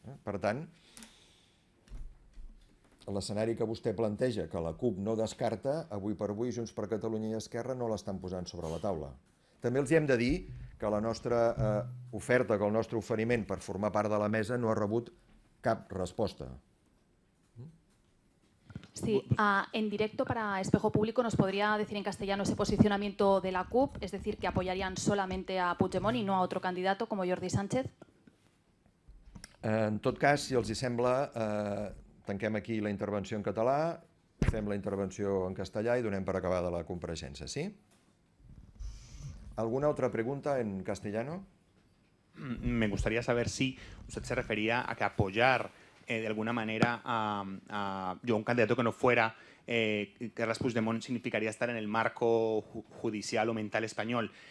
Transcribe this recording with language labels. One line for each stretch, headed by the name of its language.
Catalan: Per tant, l'escenari que vostè planteja, que la CUP no descarta, avui per avui Junts per Catalunya i Esquerra no l'estan posant sobre la taula. També els hem de dir que la nostra oferta, que el nostre oferiment per formar part de la mesa no ha rebut cap resposta.
Spanish: Sí, en directo para Espejo Público nos podría decir en castellano ese posicionamiento de la CUP, es decir, que apoyarían solamente a Puigdemont y no a otro candidato como Jordi Sánchez.
Catalan: En tot cas, si els hi sembla, tanquem aquí la intervenció en català, fem la intervenció en castellà i donem per acabada la compareixença, sí? ¿Alguna altra pregunta en castellano?
Spanish: Me gustaría saber si usted se refería a que apoyar de alguna manera a un candidato que no fuera Carles Puigdemont significaría estar en el marco judicial o mental español.